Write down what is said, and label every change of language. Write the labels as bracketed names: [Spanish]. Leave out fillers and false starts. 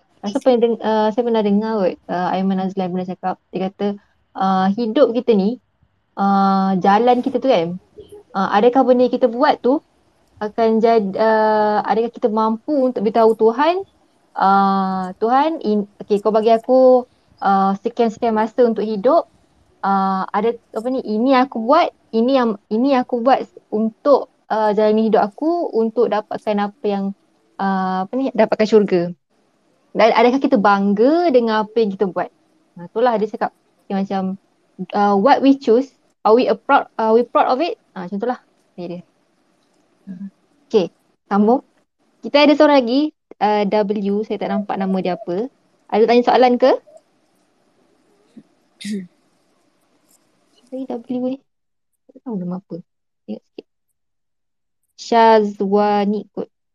[Malay] Rasa pernah saya pernah dengar kot, Aiman Azlan pernah cakap, dia kata hidup kita ni, jalan kita tu kan, adakah benda kita buat tu akan jadi, adakah kita mampu untuk beritahu Tuhan, Tuhan, okay, kau bagi aku sekian-sekian masa untuk hidup, ada apa ni, ini aku buat, ini yang ini aku buat untuk jalani hidup aku untuk dapatkan apa yang apa ni, dapatkan syurga. Dan adakah kita bangga dengan apa yang kita buat? Nah, itulah dia cakap. Dia macam, [English] what we choose, are we proud of it? [Malay] Macam itulah. Dia. Okay, sambung. Kita ada seorang lagi, W, saya tak nampak nama dia apa. Ada tanya soalan ke? Saya W ni. Tak tahu nama apa. Tengok sikit. Syazwani kot.